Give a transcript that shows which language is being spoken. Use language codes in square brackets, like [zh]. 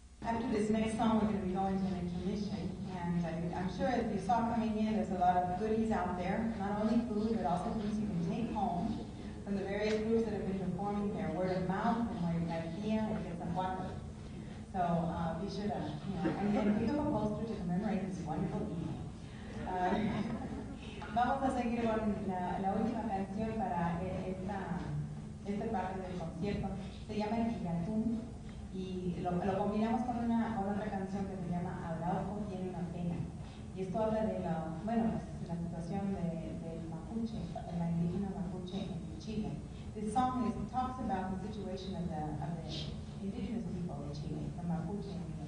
[en] after this next song, we're going to be going to an intermission, and I'm sure if you saw coming in, there's a lot of goodies out there, not only food, but also things you can take home from the various groups that have been performing here, word of mouth, and where you've got here, and get some water. So be sure to, and then pick up a poster to commemorate this wonderful evening. [es] Vamos a seguir con la última canción para esta parte del concierto. Se llama El Gigantún y lo combinamos con otra canción que se llama Abrazo tiene una pena. Y esto habla de la situación del Mapuche, de la indígena Mapuche en Chile. [en] This song talks about the situation of the indigenous people in Chile, the Mapuche.